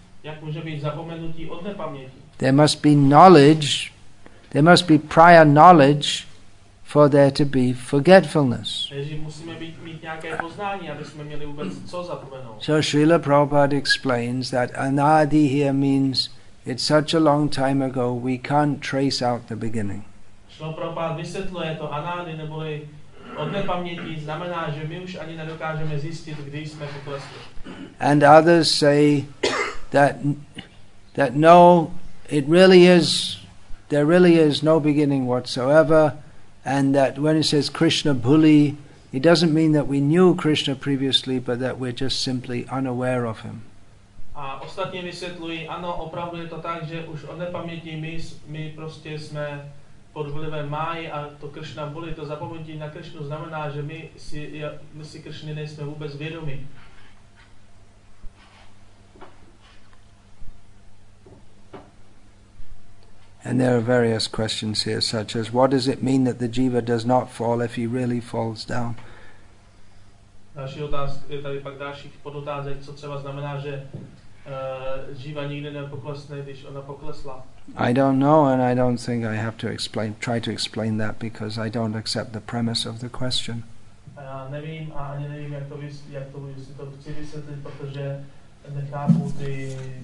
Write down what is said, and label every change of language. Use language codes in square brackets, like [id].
[cs] Jak může být zapomenutí od nepaměti? [en] There must be knowledge, there must be prior knowledge for there to be forgetfulness. [cs] Takže musíme mít nějaké poznání, aby jsme měli vůbec co zapomenout. [en] So Srila Prabhupada explains that anadi here means it's such a long time ago, we can't trace out the beginning. [cs] Srila Prabhupada vysvětluje to anadi, neboli od nepaměti, znamená, že my už ani nedokážeme zjistit, kdy jsme poklesli. [en] And others say that no, it really is, there really is no beginning whatsoever, and that when it says Krishna Bhuli, it doesn't mean that we knew Krishna previously, but that we're just simply unaware of him. [cs] A ostatně vysvětluji, ano, opravdu je to tak, že už od nepaměti my prostě jsme pod vlivem Máji a to Krishna Bhuli, to zapomnění na Krishnu znamená, že my si Krishny nejsme vůbec vědomi. [en] And there are various questions here, such as, what does it mean that the jiva does not fall if he really falls down? [cs] Další otázka je tady pak dalších podotázek, co třeba znamená, že jiva nikdy nepoklesne, když ona poklesla. [en] I don't know, and I don't think I have to try to explain that, because I don't accept the premise of the question. [cs] Já nevím a ani nevím, jak to chci vysvětlit, protože nechápu ty.